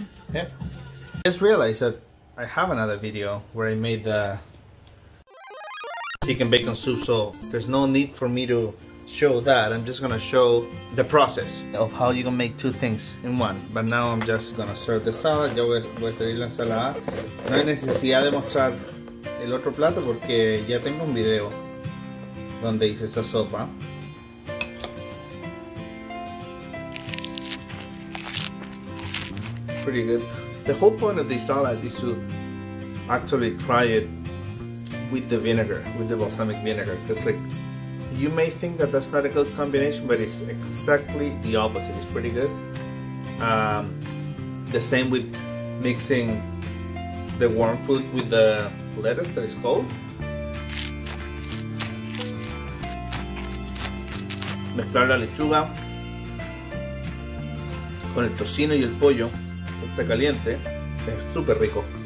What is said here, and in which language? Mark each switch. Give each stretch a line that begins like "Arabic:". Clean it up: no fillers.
English: Okay. I just realized that I have another video where I made the chicken bacon soup, so there's no need for me to show that. I'm just gonna show the process of how you can make two things in one. But now I'm just gonna serve the salad.
Spanish: Yo voy a servir la ensalada. No hay necesidad de mostrar el otro plato porque ya tengo un video donde hice esa sopa.
English: Pretty good. The whole point of this salad is to actually try it with the vinegar, with the balsamic vinegar. Because like, you may think that that's not a good combination, but it's exactly the opposite. It's pretty good. The same with mixing the warm food with the lettuce that is cold.
Spanish: Mezclar la lechuga con el tocino y el pollo que está caliente es súper rico.